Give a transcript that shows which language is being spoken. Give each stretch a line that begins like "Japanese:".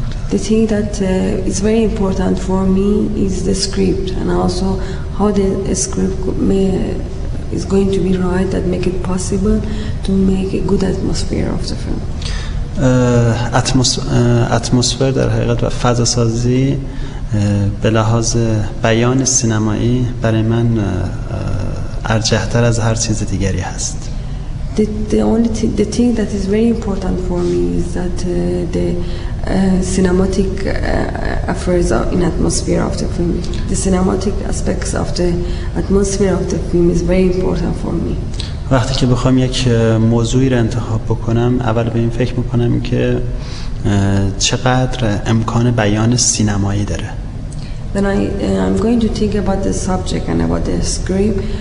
English: The thing that is very important for me is the script and also how the script may is going to be right that make it possible to make a good atmosphere of the film.
Persian: Atmosphere در حقیقت و فضا سازی به لحاظ بیان سینمایی برای من ارجح‌تر از هر چیز دیگری هست.
English: The thing that is very important for me is that the cinematic affairs of in atmosphere of the film. The cinematic aspects of the atmosphere of the film is very important for me.
Persian: وقتی که بخوام یک موضوعی را انتخاب بکنم، اول به این فکر میکنم که چقدر امکان بیان سینمایی داره.
English: Then I'm going to think about the subject and about the script.